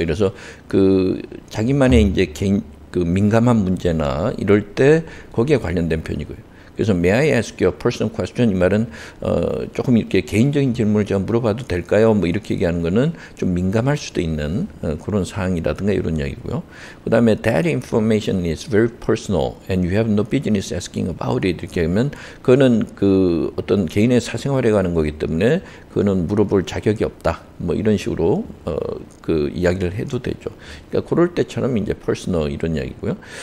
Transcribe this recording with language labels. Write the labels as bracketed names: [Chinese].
[Korean] 이래서 그 자기만의 이제 개인 그 민감한 문제나 이럴 때 거기에 관련된 편이고요. 그래서 [English] may I ask you a personal question? [Korean] 이 말은 조금 이렇게 개인적인 질문을 제가 물어봐도 될까요? 뭐 이렇게 얘기하는 거는 좀 민감할 수도 있는 그런 사항이라든가 이런 이야기고요. 그 다음에 [English] that information is very personal and you have no business asking about it. [Korean] 이렇게 하면 그거는 그 어떤 개인의 사생활에 관한 거기 때문에 그거는 물어볼 자격이 없다. 뭐 이런 식으로 그 이야기를 해도 되죠. 그러니까 그럴 때처럼 이제 personal 이런 이야기고요.